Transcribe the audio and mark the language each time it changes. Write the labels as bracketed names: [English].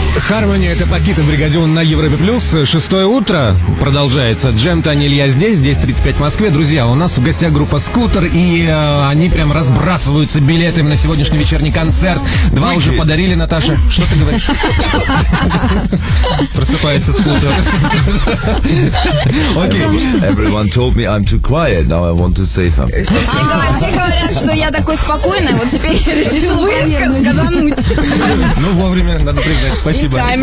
[Russian] Harmony — это Пакита Бригадион на Европе Плюс. Шестое утро продолжается. Джем, Таня, Илья здесь, 10:35 в Москве. Друзья, у нас в гостях группа «Скутер», и они прям разбрасываются билетами на сегодняшний вечерний концерт. Два уже подарили, Наташа. Что ты говоришь? Просыпается «Скутер». [English] Everyone told me I'm too quiet, now I want to say something. [Russian] Все говорят, что я такой спокойный, вот теперь я решил высказать. Ну, вовремя надо прыгать. Спасибо.